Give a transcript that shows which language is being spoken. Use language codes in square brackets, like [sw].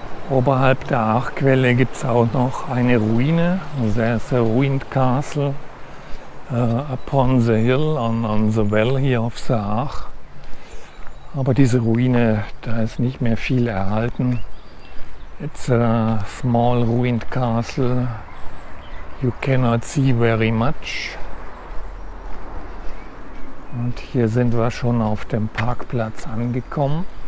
[de] Oberhalb der Achquelle gibt es auch noch eine Ruine. [en] There is a ruined castle upon the hill, on the well here of the Ach. [de] Aber diese Ruine, da ist nicht mehr viel erhalten. [en] It's a small ruined castle. You cannot see very much. [de] Und hier sind wir schon auf dem Parkplatz angekommen.